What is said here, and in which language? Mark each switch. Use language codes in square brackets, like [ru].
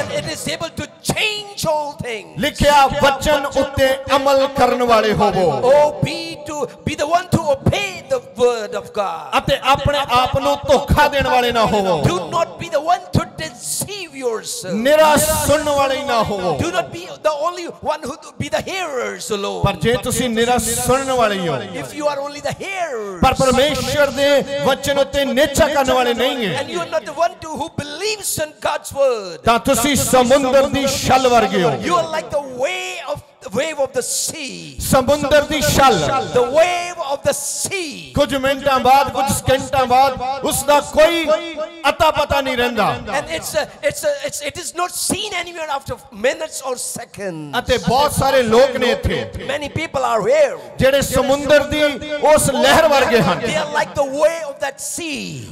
[en] and it is able to change all things [pa] ਲਿਖਿਆ ਵਚਨ ਉੱਤੇ ਅਮਲ ਕਰਨ ਵਾਲੇ ਹੋਵੋ [en] oh be to be the one to obey the word of God [pa] ਅਤੇ ਆਪਣੇ ਆਪ ਨੂੰ ਧੋਖਾ ਦੇਣ ਵਾਲੇ ਨਾ ਹੋਵੋ [en] do not be the one to deceive yourself [pa] ਨਿਰਾਸ਼ ਸੁਣਨ ਵਾਲੇ ਨਾ ਹੋਵੋ [en] do not be the only one who to be the hearers alone [pa] ਪਰ ਜੇ ਤੁਸੀਂ ਨਿਰਾਸ਼ ਸੁਣਨ ਵਾਲੇ ਹੋ [en] if you are only the hearers [pa] ਪਰ ਪਰਮੇਸ਼ਰ ਦੇ ਵਚਨ ਉੱਤੇ ਨਿਚਾ ਕਰਨ ਵਾਲੇ ਨਹੀਂ ਹੈ [en] and you are not the one to who believes in God's word [pa] ਤਾਂ ਤੁਸੀਂ ਸਮੁੰਦਰ ਦੀ ਛਲ ਵਰਗੇ ਹੋ [en] you are like the wave of the sea [pa] ਸਮੁੰਦਰ ਦੀ ਛਲ [en] the wave of the sea [pa] ਕੁਝ ਮਿੰਟਾਂ ਬਾਅਦ ਕੁਝ ਸਕਿੰਟਾਂ ਬਾਅਦ ਉਸ ਦਾ ਕੋਈ ਅਤਾ ਪਤਾ ਨਹੀਂ ਰਹਿੰਦਾ [en] and it is not seen anywhere after minutes or seconds [pa] ਅਤੇ ਬਹੁਤ ਸਾਰੇ ਲੋਕ ਨੇ ਇੱਥੇ [en] many people are here [pa] ਜਿਹੜੇ ਸਮੁੰਦਰ ਦੀ ਉਸ ਲਹਿਰ ਵਰਗੇ ਹਨ [en] they are like the wave of that sea